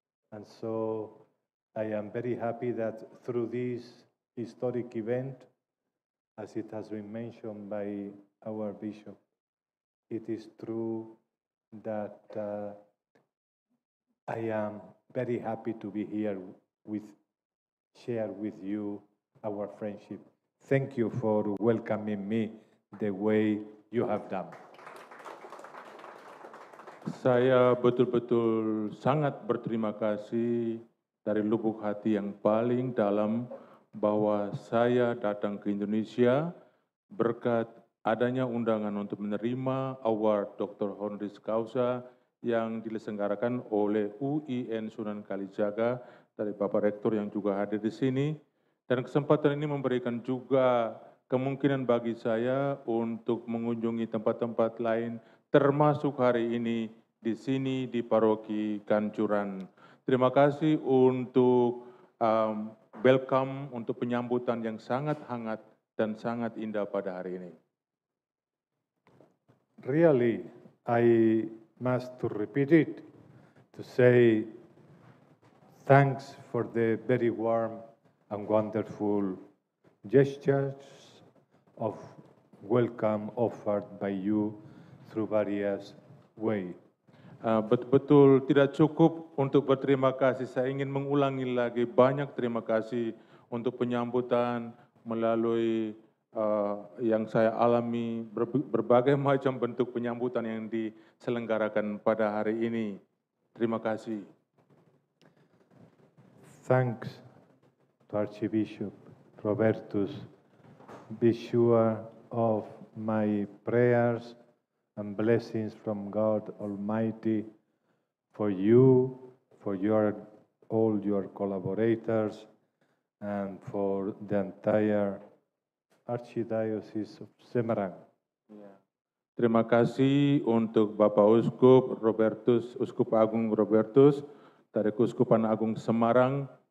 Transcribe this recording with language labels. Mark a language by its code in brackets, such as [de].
[en] And so I am very happy that through this historic event, as it has been mentioned by our bishop, it is true that I am very happy to be here with share with you our friendship. Thank you for welcoming me the way you have done. [id] Saya betul-betul sangat berterima kasih dari lubuk hati yang paling dalam bahwa saya datang ke Indonesia berkat adanya undangan untuk menerima award Dr. Honoris Causa yang diselenggarakan oleh UIN Sunan Kalijaga dari Bapak Rektor yang juga hadir di sini. Dan kesempatan ini memberikan juga kemungkinan bagi saya untuk mengunjungi tempat-tempat lain termasuk hari ini di sini di Paroki Ganjuran. Terima kasih untuk welcome untuk penyambutan yang sangat hangat dan sangat indah pada hari ini. [en] Really, I must to repeat it to say thanks for the very warm and wonderful gestures of welcome offered by you through various ways. [id] Betul-betul tidak cukup untuk berterima kasih. Saya ingin mengulangi lagi banyak terima kasih untuk penyambutan melalui yang saya alami berbagai macam bentuk penyambutan yang diselenggarakan pada hari ini. Terima kasih. [en] Thanks to Archbishop Robertus. Be sure of my prayers and blessings from God Almighty for you, for your all your collaborators, and for the entire Archdiocese of Semarang. [id] Terima kasih untuk Bapak Uskup Robertus, Uskup Agung Robertus dari Keuskupan Agung Semarang.